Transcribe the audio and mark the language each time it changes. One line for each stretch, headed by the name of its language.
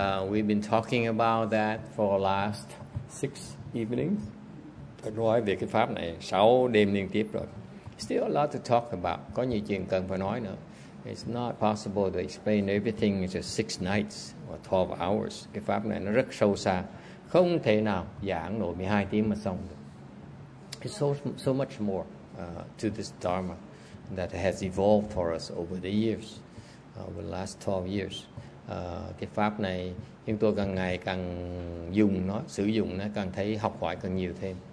English: We've been talking about that for the last 6 evenings.
Vietnamese: Nói về cái pháp này 6 đêm liên tiếp rồi.
English: Still a lot to talk about.
Vietnamese: Có nhiều chuyện cần phải nói nữa.
English: It's not possible to explain everything in just 6 nights or 12 hours.
Vietnamese: Cái pháp này nó rất sâu xa. Không thể nào giảng nổi 12 tiếng mà xong được.
English: It's so much more to this dharma that has evolved for us over the years, over the last 12 years.
Vietnamese: Cái pháp này chúng tôi càng ngày càng dùng nó, sử dụng nó, càng thấy học hỏi càng nhiều thêm.